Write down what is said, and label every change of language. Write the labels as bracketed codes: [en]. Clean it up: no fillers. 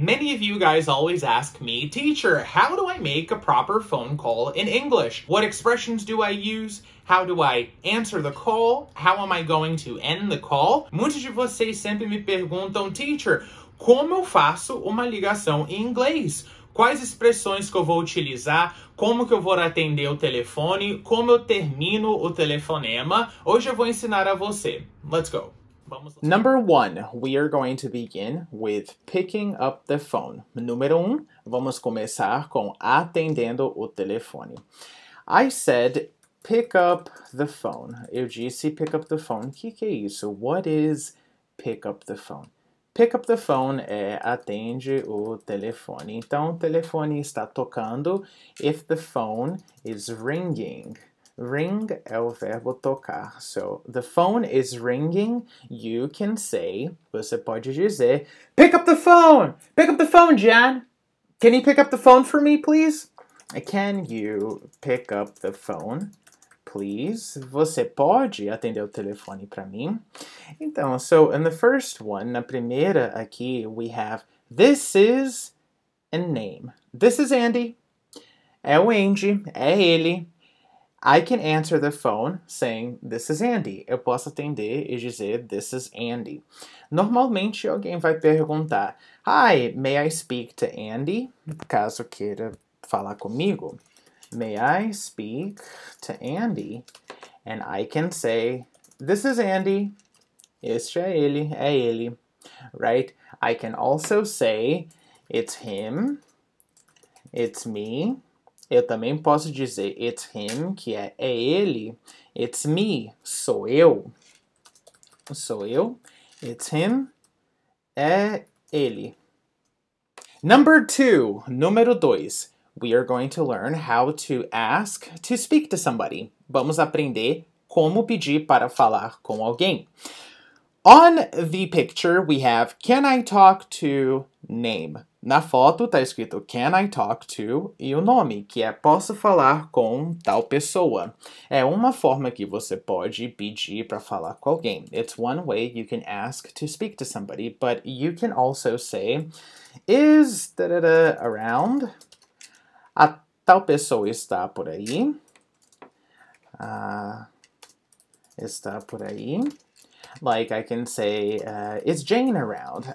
[en] Many of you guys always ask me, teacher, how do I make a proper phone call in English? What expressions do I use? How do I answer the call? How am I going to end the call? [pt] Muitos de vocês sempre me perguntam, teacher, como eu faço uma ligação em inglês? Quais expressões que eu vou utilizar? Como que eu vou atender o telefone? Como eu termino o telefonema? Hoje eu vou ensinar a você. [en] Let's go. Number one, we are going to begin with picking up the phone. [pt] Número um, vamos começar com atendendo o telefone. [en] I said pick up the phone. [pt] Eu disse [en] pick up the phone. [pt] Que é isso? [en] What is pick up the phone? Pick up the phone [pt] é atende o telefone. Então, o telefone está tocando. [en] If the phone is ringing. Ring [pt] é o verbo tocar. [en] So, the phone is ringing. You can say, [pt] você pode dizer, [en] pick up the phone! Pick up the phone, Jan! Can you pick up the phone for me, please? Can you pick up the phone, please? [pt] Você pode atender o telefone para mim? Então, [en] so, in the first one, [pt] na primeira aqui, [en] we have, this is a name. This is Andy. [pt] É o Andy. É ele. [en] I can answer the phone saying, this is Andy. [pt] Eu posso atender e dizer, [en] this is Andy. [pt] Normalmente, alguém vai perguntar, [en] hi, may I speak to Andy? [pt] Caso queira falar comigo. [en] May I speak to Andy? And I can say, this is Andy. [pt] Este é ele, [en] right? I can also say, it's him, it's me. [pt] Eu também posso dizer, [en] it's him, [pt] que é ele. [en] It's me, [pt] sou eu. Sou eu. [en] It's him, [pt] é ele. [en] Number two, [pt] número dois. [en] We are going to learn how to ask to speak to somebody. [pt] Vamos aprender como pedir para falar com alguém. [en] On the picture, we have, can I talk to name? [pt] Na foto está escrito, [en] can I talk to, [pt] e o nome, que é posso falar com tal pessoa. É uma forma que você pode pedir para falar com alguém. [en] It's one way you can ask to speak to somebody, but you can also say, is da-da-da around? [pt] A tal pessoa está por aí. Está por aí. [en] Like I can say, is Jane around?